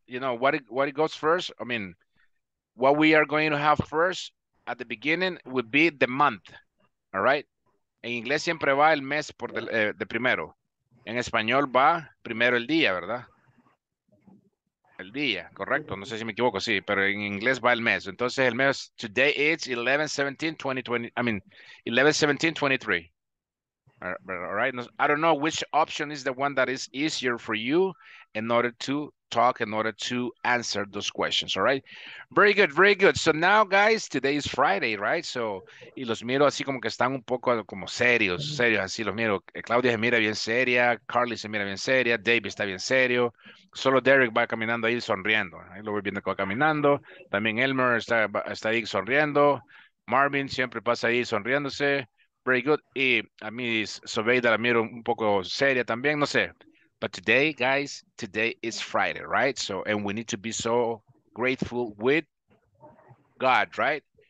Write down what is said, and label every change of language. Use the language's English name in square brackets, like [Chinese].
[English] You know, what it goes first, I mean, what we are going to have first at the beginning would be the month, all right? [Spanish] En inglés siempre va el mes por de primero. En español va primero el día, ¿verdad? El día, correcto. No sé si me equivoco, sí, pero en inglés va el mes. Entonces el mes, [English] today is 11-17-2020, I mean, 11-17-23. All right. I don't know which option is the one that is easier for you in order to talk, in order to answer those questions. All right. Very good. Very good. So now, guys, today is Friday, right? [Spanish] So, y los miro así como que están un poco como serios, serios, así los miro. Claudia se mira bien seria. Carly se mira bien seria. David está bien serio. Solo Derek va caminando ahí sonriendo. Ahí lo voy viendo que va caminando. También Elmer está ahí sonriendo. Marvin siempre pasa ahí sonriéndose. [English] Very good. [Spanish] Y a mí, Sobeida, la miro un poco seria también, no sé. [English] But today, guys, today is Friday, right? So, and we need to be so grateful with God, right?